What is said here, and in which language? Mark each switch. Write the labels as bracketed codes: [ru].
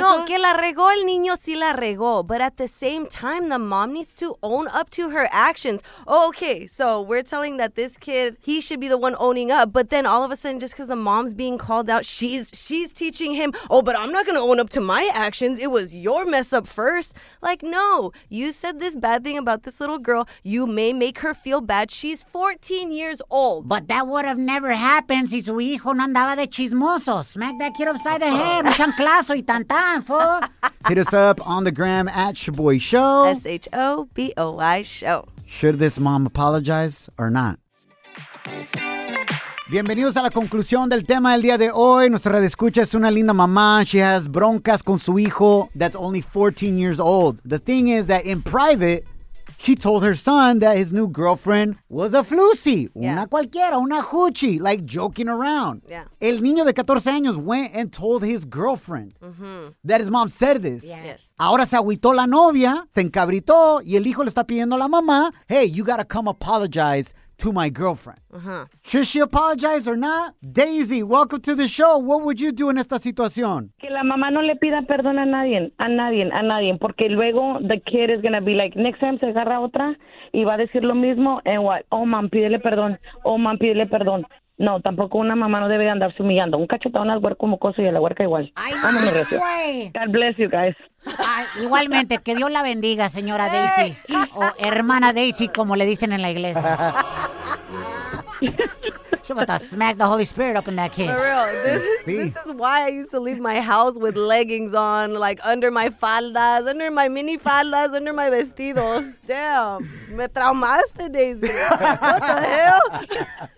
[es] No, que la regó el niño sí la regó. [en] But at the same time, the mom needs to own up to her actions. Oh, okay, so we're telling that this kid, he should be the one owning up. But then all of a sudden, just because the mom's being called out, she's teaching him, oh, but I'm not going to own up to my actions. It was your mess up first. Like, no, you said this bad thing about this little girl. You may make her feel bad. She's 14 years old. But that would have never happened [es] si su hijo no andaba de chismoso. [en] Smack that kid upside the head. [es] Un chanclazo y tan tan, [en] fool. Hit us up on the gram at Shaboy Show. Shaboy Show. Should this mom apologize or not? [es] Bienvenidos a la conclusión del tema del día de hoy. Nuestra radioescucha es una linda mamá. [en] She has [es] broncas con su hijo [en] that's only 14 years old. The thing is that in private, he told her son that his new girlfriend was a floozy. Yeah. [es] Una cualquiera, una [en] hoochie, like joking around. Yeah. [es] El niño de 14 años [en] went and told his girlfriend that his mom said this. Yes. [es] Ahora se agüitó la novia, se encabritó, y el hijo le está pidiendo a la mamá, [en] hey, you gotta come apologize to my girlfriend. Should she apologize or not? Daisy, welcome to the show. What would you do in [es] esta situación? Que la mamá no le pida perdón a nadie, porque luego [en] the kid is going to be like, [es] next time se agarra otra y va a decir lo mismo, [en] and what? [es] Oh, mam, pídele perdón. No, tampoco una mamá no debe de andarse humillando. Un cachetón al huerco como cosa y a la huerca igual. ¡Ay, güey! Oh, no, [en] God bless you guys. [es] Igualmente, que Dios la bendiga, señora Daisy. O hermana Daisy, como le dicen en la iglesia. [en] She's about to smack the Holy Spirit up in that kid. For real, this is why I used to leave my house with leggings on, like under my faldas, under my mini faldas, under my vestidos. Damn, [es] me traumaste, [en] Daisy. What the hell?